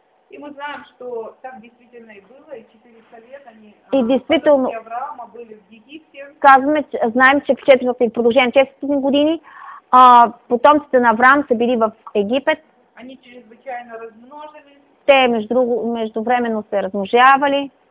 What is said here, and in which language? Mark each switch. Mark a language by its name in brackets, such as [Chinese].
[Russian] И мы знаем, что там действительно и было, и 400 лет они действительно, Авраама были в Египте. [Bulgarian] Казваме, знаем, че в продължение 400 години потомците на Авраам са били в Египет. [Russian] Они чрезвычайно размножились. [Bulgarian] Те междувременно се размножавали.